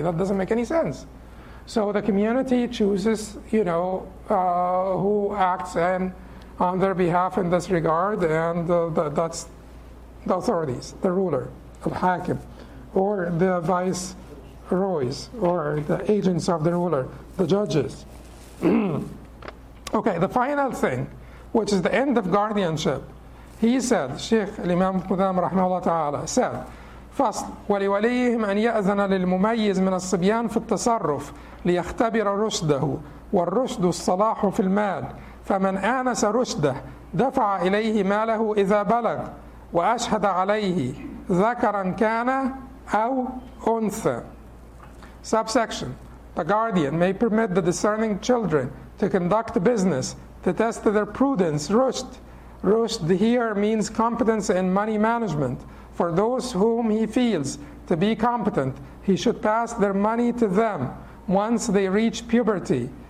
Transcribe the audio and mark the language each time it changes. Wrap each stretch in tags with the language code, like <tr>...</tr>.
<en>That doesn't make any sense. So the community chooses, you know, who acts and on their behalf in this regard, and that's the authorities, the ruler, al-hakim, or the viceroys, or the agents of the ruler, the judges. Okay, the final thing, which is the end of guardianship. He said, Sheikh Imam Qudam rahimahullah ta'ala said,</en> <ar>فصل ولوليهم أن يأذن للمميز من الصبيان في التصرف ليختبر رشده والرشد الصلاح في المال فمن آنس رشده دفع إليه ماله إذا بلغ وأشهد عليه ذكرا كان أو أنثى.</ar> <en>Subsection: The guardian may permit the discerning children to conduct business to test their prudence. Rushd. Rushd here means competence in money management. For those whom he feels to be competent, he should pass their money to them once they reach puberty.</en>